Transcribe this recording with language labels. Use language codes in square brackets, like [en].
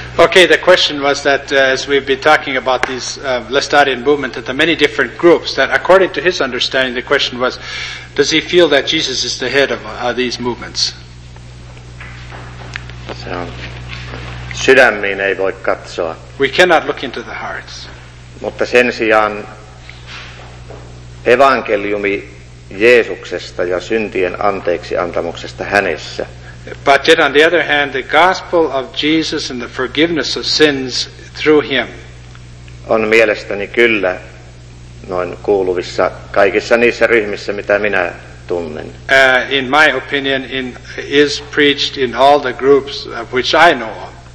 [en] Okay, the question was that as we've been talking about these Lestadian movement and the many different groups, that according to his understanding, the question was, does he feel that Jesus is the head of these movements? [fi] So, sydämiin ei voi katsoa. [en] We cannot look into the hearts. [fi] Mutta sen sijaan evankeliumi Jeesuksesta ja syntien anteeksi antamuksesta hänessä. [en] But yet, on the other hand, the gospel of Jesus and the forgiveness of sins through him [fi] on mielestäni kyllä noin kuuluvissa kaikissa niissä ryhmissä, mitä minä tunnen. [en] In my opinion, is preached in all the groups of which I know of.